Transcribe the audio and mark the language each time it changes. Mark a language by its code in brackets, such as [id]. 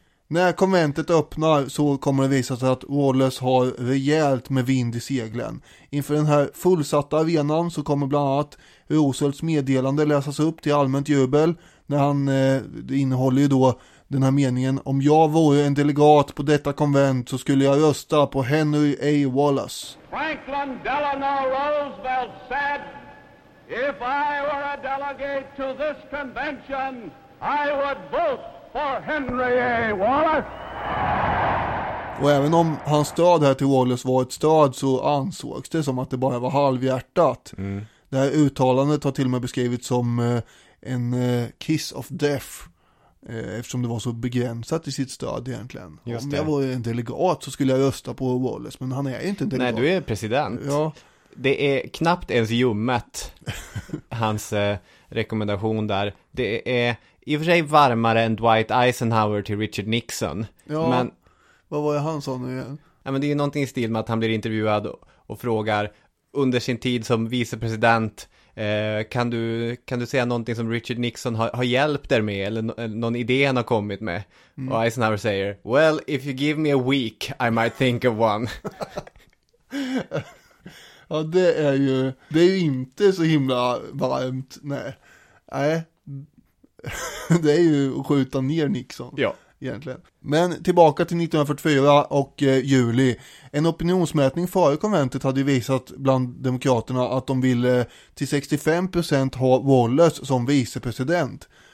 [sv] När konventet öppnar så kommer det visa sig att Wallace har rejält med vind i seglen. Inför den här fullsatta arenan så kommer bland annat Roosevelts meddelande läsas upp till allmänt jubel. När han, det innehåller ju då den här meningen: om jag vore en delegat på detta konvent så skulle jag rösta på Henry A. Wallace. [en] Franklin Delano Roosevelt said, if I were a delegate to this convention, I would vote for Henry A. Wallace. [sv] Och även om hans stöd här till Wallace var ett stöd, så ansågs det som att det bara var halvhjärtat. Mm. Det här uttalandet har till och med beskrivits som en [en] kiss of death, [sv] eftersom det var så begränsat i sitt stöd egentligen. Om jag var en delegat så skulle jag rösta på Wallace, men han är inte en delegat. Nej, du är president. Ja. Det är knappt ens ljummet, hans rekommendation där. Det är i och för sig varmare än Dwight Eisenhower till Richard Nixon. Ja, men vad var det han sa nu igen? Ja, men det är ju någonting i stil med att han blir intervjuad och frågar under sin tid som vicepresident: Kan du säga någonting som Richard Nixon har hjälpt er med, eller någon idé han har kommit med? Mm. Och Eisenhower säger: [en] well, if you give me a week, I might think of one. [sv] Ja, det är ju inte så himla varmt, nej. Det är ju att skjuta ner Nixon. Ja. Egentligen. Men tillbaka till 1944 och juli. En opinionsmätning före konventet hade visat bland demokraterna att de ville till 65% ha Wallace som vicepresident.